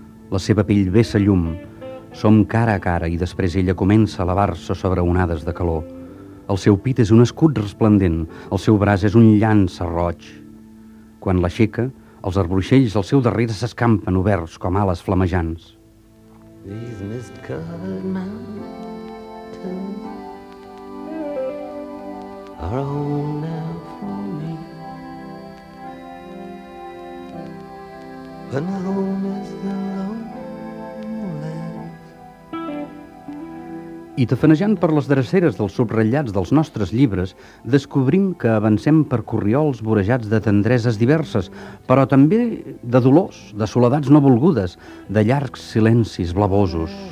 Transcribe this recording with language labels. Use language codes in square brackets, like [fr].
[ca] La seva pell vessa llum. Som cara a cara i després ella comença a elevar-se sobre onades de calor. El seu pit és un escut resplendent. El seu braç és un llança roig. Quan l'aixeca, els arbruixells al seu darrere s'escampen oberts com ales flamejants. [en] These mist-covered mountains are home now for me. But my home is the lowlands. [ca] I tafanejant per les dreceres dels subratllats dels nostres llibres, descobrim que avancem per corriols vorejats de tendreses diverses, però també de dolors, de soledats no volgudes, de llargs silencis blavosos.